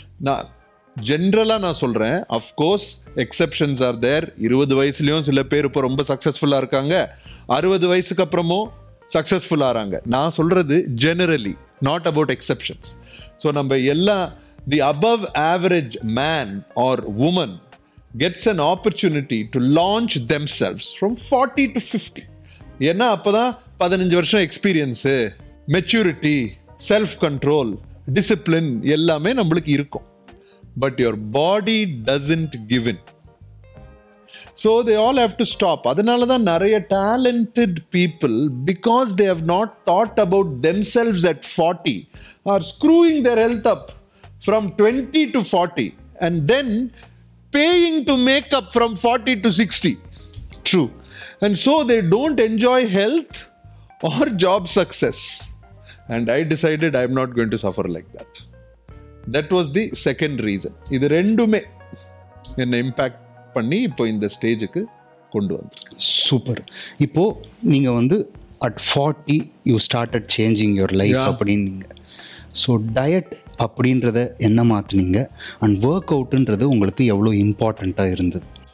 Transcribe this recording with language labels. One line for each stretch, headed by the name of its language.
Tamil: நான் ஜென்ரலாக நான் சொல்கிறேன்,
English: of course exceptions are there,
Tamil: 20 சில பேர் இப்போ ரொம்ப சக்ஸஸ்ஃபுல்லாக இருக்காங்க, 60 அப்புறமும் சக்ஸஸ்ஃபுல்லாகிறாங்க. நான் சொல்கிறது
English: Generally, not about exceptions. So
Tamil: நம்ம எல்லாம்
English: The above average man or woman gets an opportunity to launch themselves from 40 to 50.
Tamil: Enna appo da 15 varsham
English: experience, maturity, self control, discipline
Tamil: ellame nammalku irukum,
English: but your body doesn't give in, so they all have to stop.
Tamil: Adanalada than nariya
English: talented people, because they have not thought about themselves at 40, are screwing their health up from 20 to 40 and then paying to make up from 40 to 60. True. And so they don't enjoy health or job success. And I decided I'm not going to suffer like that. That was the second reason.
Tamil: இது ரெண்டுமே என்ன impact பண்ணி இப்போ இந்த ஸ்டேஜுக்கு கொண்டு வந்திருக்கு. Super. இப்போ நீங்க வந்து
English: at 40 you started changing your life அப்படின்னீங்க.
Tamil: So diet அப்படின்றத என்ன மாத்துனீங்க, அண்ட் ஒர்க் அவுட்ன்றது உங்களுக்கு எவ்வளோ இம்பார்ட்டண்ட்டாக இருந்தது?